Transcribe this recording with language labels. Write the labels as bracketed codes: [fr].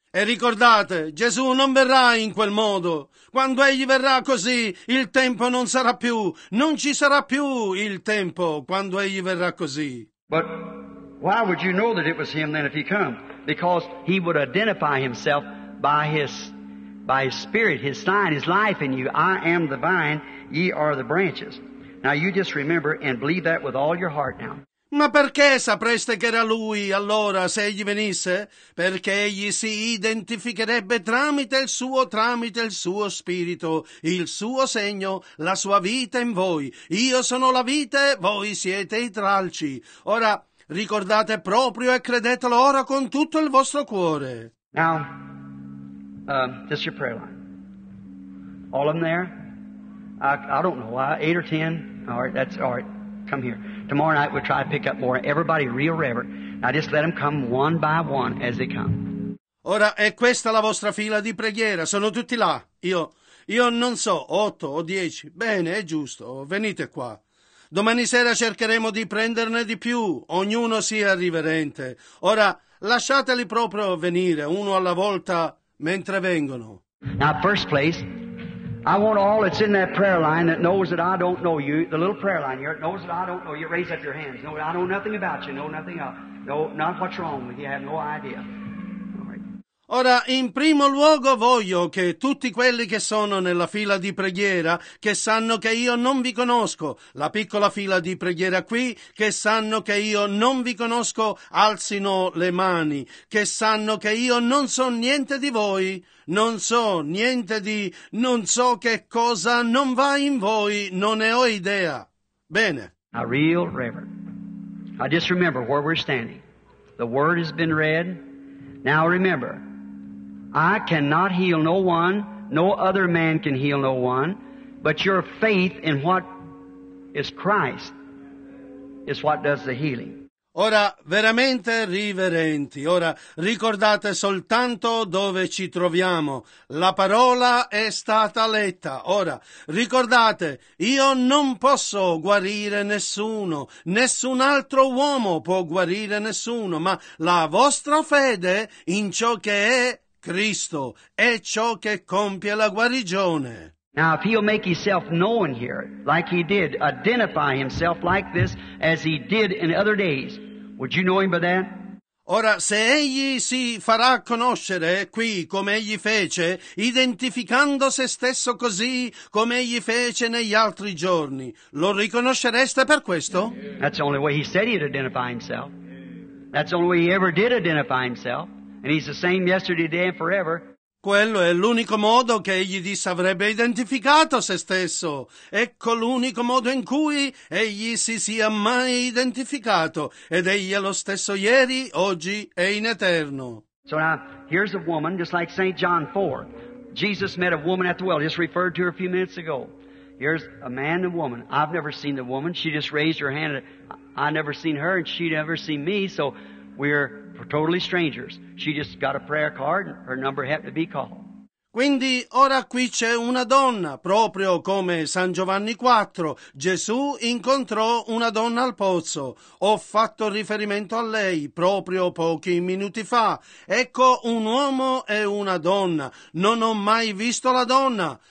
[it] E ricordate, Gesù non verrà in quel modo. Quando egli verrà così, il tempo non sarà più. Non ci sarà più il tempo quando egli verrà così. [en] But why would you know that it was him then if he come? Because he would identify himself by his spirit, his sign, his life in you. I am the vine, ye are the branches. Now you just remember and believe that with all your heart now. [it] Ma perché sapreste che era lui allora se egli venisse? Perché egli si identificherebbe tramite il suo spirito, il suo segno, la sua vita in voi. Io sono la vite, voi siete i tralci. Ora ricordate proprio e credetelo ora con tutto il vostro cuore. [en] Now, just your prayer line. All of them there? I don't know why. 8 or 10? All right, that's all right. Come here. Tomorrow night we'll try to pick up more. Everybody real reverent. Now just let them come one by one as they come. [it] Ora è questa la vostra fila di preghiera. Sono tutti là. Io non so, 8 o 10. Bene, è giusto. Venite qua. Domani sera cercheremo di prenderne di più. Ognuno sia riverente. Ora lasciateli proprio venire, uno alla volta, mentre vengono. [en] Now first place, I want all that's in that prayer line that knows that I don't know you, the little prayer line here, that knows that I don't know you, raise up your hands. No, I know nothing about you, know nothing else. No, not what's wrong with you, I have no idea. All right. [it] Ora, in primo luogo voglio che tutti quelli che sono nella fila di preghiera, che sanno che io non vi conosco, la piccola fila di preghiera qui, che sanno che io non vi conosco, alzino le mani, che sanno che io non so niente di voi, non so niente di, non so che cosa non va in voi, non ne ho idea. Bene. [en] A real reverend. I just remember where we're standing. The word has been read. Now remember, I cannot heal no one, no other man can heal no one, but your faith in what is Christ is what does the healing. [it] Ora, veramente riverenti, ora ricordate soltanto dove ci troviamo. La parola è stata letta. Ora, ricordate, io non posso guarire nessuno. Nessun altro uomo può guarire nessuno, ma la vostra fede in ciò che è Cristo è ciò che compie la guarigione. [en] Now, if he'll make himself known here, like he did, identify himself like this, as he did in other days, would you know him by that? [it] Ora, se egli si farà conoscere qui come egli fece, identificando se stesso così come egli fece negli altri giorni, lo riconoscereste per questo? [en] That's the only way he said he'd identify himself. That's the only way he ever did identify himself. And he's the same yesterday, today, and forever. [it] Quello è l'unico modo che egli disse avrebbe identificato se stesso. Ecco l'unico modo in cui egli si sia mai identificato. Ed egli è lo stesso ieri, oggi e in eterno. [en] So now, here's a woman, just like St. John 4. Jesus met a woman at the well, just referred to her a few minutes ago. Here's a man and a woman. I've never seen the woman. She just raised her hand. I never seen her, and she never seen me, so we're totally strangers. She just got a prayer card and her number happened to be called. [it] Quindi ora qui c'è una donna, proprio come San Giovanni 4. Gesù incontrò una donna al pozzo. Ho fatto riferimento a lei proprio pochi minuti fa. Ecco un uomo e una donna. Non ho mai visto la donna.